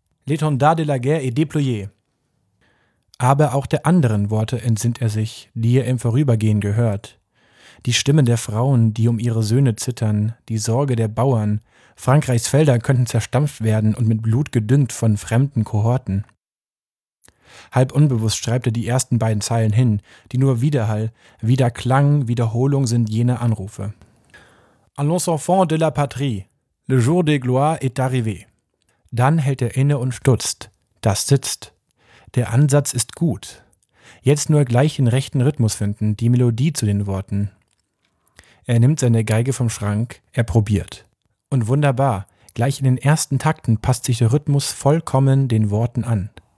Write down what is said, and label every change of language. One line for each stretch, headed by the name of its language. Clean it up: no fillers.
French: L'étendard de la guerre est déployé!
German: Aber auch der anderen Worte entsinnt er sich, die er im Vorübergehen gehört. Die Stimme der Frauen, die um ihre Söhne zittern, die Sorge der Bauern, Frankreichs Felder könnten zerstampft werden und mit Blut gedüngt von fremden Kohorten. Halb unbewusst schreibt er die ersten beiden Zeilen hin, die nur Widerhall, Wiederklang, Wiederholung sind jene Anrufe.
French: Allons enfants de la patrie, le jour de gloire est arrivé.
German: Dann hält er inne und stutzt. Das sitzt. Der Ansatz ist gut. Jetzt nur gleich den rechten Rhythmus finden, die Melodie zu den Worten. Er nimmt seine Geige vom Schrank, er probiert. Und wunderbar, gleich in den ersten Takten passt sich der Rhythmus vollkommen den Worten an.